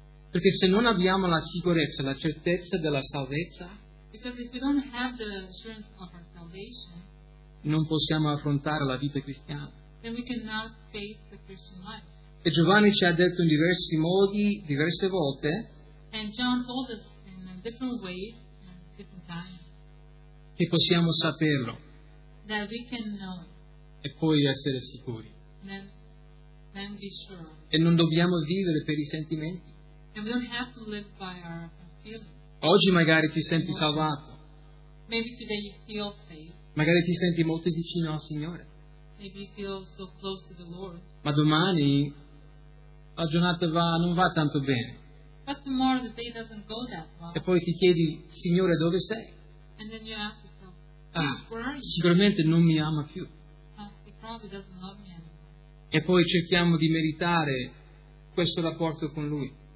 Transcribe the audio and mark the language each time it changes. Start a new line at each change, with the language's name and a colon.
Italian: Perché se non abbiamo la sicurezza, la certezza della salvezza,
English: if we don't have the assurance of our salvation,
Italian: non possiamo affrontare la vita cristiana.
English: Then we cannot face the Christian life.
Italian: E Giovanni ci ha detto in diversi modi, diverse volte,
English: and John told us in different ways, in different times,
Italian: che possiamo saperlo,
English: that we can know it,
Italian: e poi essere sicuri.
English: Then be sure.
Italian: E non dobbiamo vivere per i sentimenti.
English: And we don't have to live by our feelings.
Italian: Oggi magari ti senti salvato.
English: Maybe today you feel safe.
Italian: Magari ti senti molto vicino al Signore.
English: Maybe you feel so close to the Lord.
Italian: Ma domani la giornata non va tanto bene.
English: But tomorrow the day doesn't go that well.
Italian: E poi ti chiedi, Signore, dove sei?
English: And then you ask yourself, where are you?
Italian: Sicuramente non mi ama più.
English: He probably doesn't love me anymore.
Italian: E poi cerchiamo di meritare questo rapporto con Lui.